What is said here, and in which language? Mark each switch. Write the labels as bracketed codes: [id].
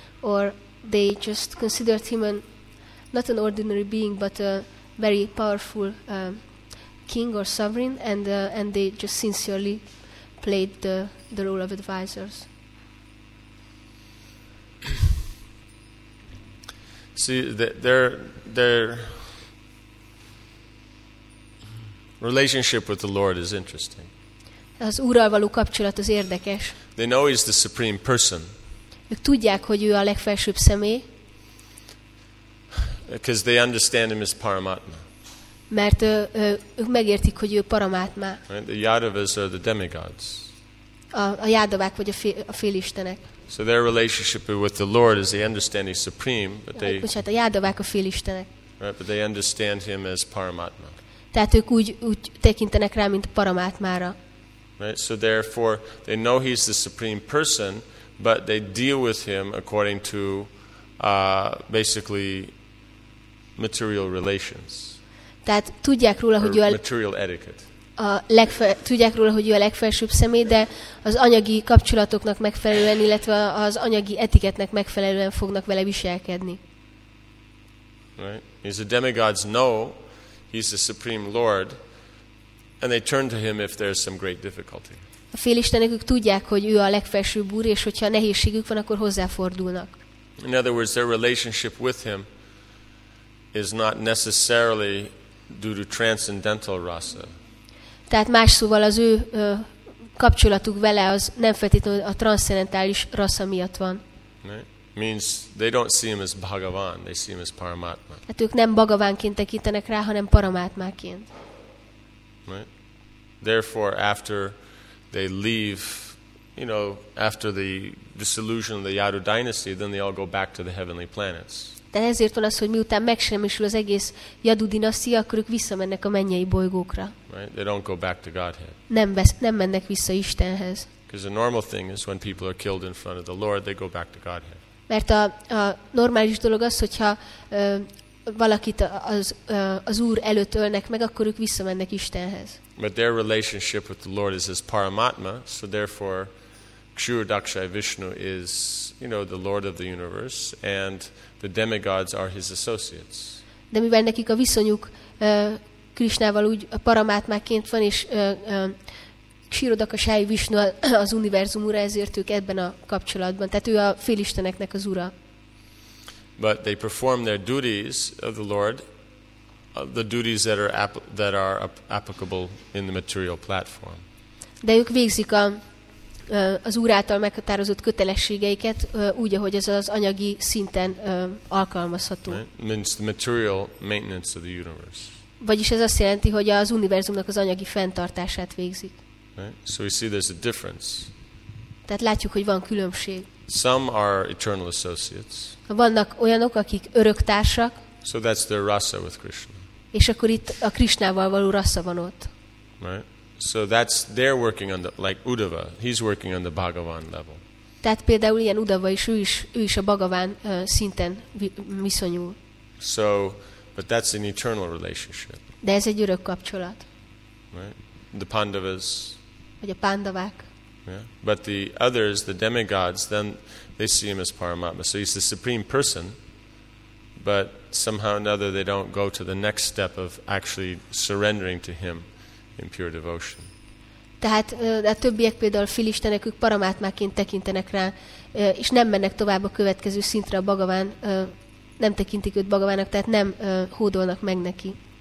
[en] Or they just considered him not an ordinary being, but a very powerful king or sovereign, and they just sincerely played the role of advisors? See, their relationship with the Lord is interesting. [hu] Az Úrral való kapcsolat az érdekes. [en] They know he's the supreme person. [hu] Ők tudják, hogy ő a legfelsőbb személy. [en] Because they understand him as Paramatma. [hu] Mert ők megértik, hogy ő Paramatma. [en] Right? The Yadavas are the demigods. [hu] A Yadavák vagy a félistenek. [en] So their relationship with the Lord is they understand he's supreme, but they. [hu] Bocsánat, a Yadavák a félistenek. [en] Right, but they understand him as Paramatma. [hu] Tehát ők úgy tekintenek rá, mint Paramatmára. [en] Right, so therefore they know he's the supreme person, but they deal with him according to basically material relations. [hu] Tehát tudják róla, hogy ő [en] material etiquette. [hu] Tudják róla, hogy ő a legfelsőbb személy, de az anyagi kapcsolatoknak megfelelően, illetve az anyagi etiketnek megfelelően fognak vele viselkedni. [en] Right. The demigods know he's the supreme lord, and they turn to him if there's some great difficulty. [hu] A félistenek ők tudják, hogy ő a legfelsőbb úr, és hogyha nehézségük van, akkor hozzáfordulnak. [en] In other words, their relationship with him is not necessarily due to transcendental rasa. [hu] Tehát más szóval az ő kapcsolatuk vele az nem feltétlenül a transzcendentális rasza miatt van. [en] Means they don't see him as Bhagavan, they see him as Paramatma. [hu] Hát ők nem Bhagavánként tekintenek rá, hanem Paramatmáként. [en] Therefore after they leave, you know, after the dissolution of the Yadu dynasty, then they all go back to the heavenly planets. [hu] De ezért van az, hogy miután megsemmisül az egész Yadu dinasztia, akkor ők visszamennek a mennyei bolygókra. [en] Right? They don't go back to Godhead. [hu] Nem mennek vissza Istenhez. [en] Because the normal thing is when people are killed in front of the Lord, they go back to Godhead. [hu] Mert a normális dolog az, hogyha valakit az Úr előtt ölnek meg, akkor ők visszamennek Istenhez. [en] But their relationship with the Lord is as Paramatma, so therefore Kshura Dakshai Vishnu is, you know, the Lord of the universe and the demigods are his associates. [hu] De mivel nekik a viszonyuk Krisnával úgy a Paramátmáként van, és Kshura Dakshai Vishnu az univerzum ura, ezért ők ebben a kapcsolatban. Tehát ő a félisteneknek az ura. [en] But they perform their duties of the Lord, the duties that are applicable in the material platform. [hu] De ők végzik az Úr által meghatározott kötelességeiket úgy, ahogy ez az anyagi szinten alkalmazható. [en] Means the material maintenance of the universe. [hu] Vagyis ez azt jelenti, hogy az univerzumnak az anyagi fenntartását végzik. [en] Right? So we see there's a difference. [hu] Tehát látjuk, hogy van különbség. [en] Some are eternal associates. [hu] Vannak olyanok, akik öröktársak. [en] So that's their rasa with Krishna. [hu] És akkor itt a Krishnával való rasa van ott. [en] Right? So that's they're working on the like Uddhava. He's working on the Bhagavan level. [hu] Tehát például ilyen Uddhava is ő is a Bhagavan szinten viszonyul. [en] So, but that's an eternal relationship. [hu] De ez egy örök kapcsolat. [en] Right? The Pandavas. [hu] Vagy a Pandavák. [en] Yeah. But the others, the demigods, then they see him as Paramatma. So he's the supreme person, but somehow or another they don't go to the next step of actually surrendering to him. In pure devotion. [hu] Tehát a többiek például félistenek, ők paramátmáként tekintenek rá, és nem mennek tovább a következő szintre a Bhagaván, nem tekintik őt Bhagavának, tehát nem hódolnak meg neki.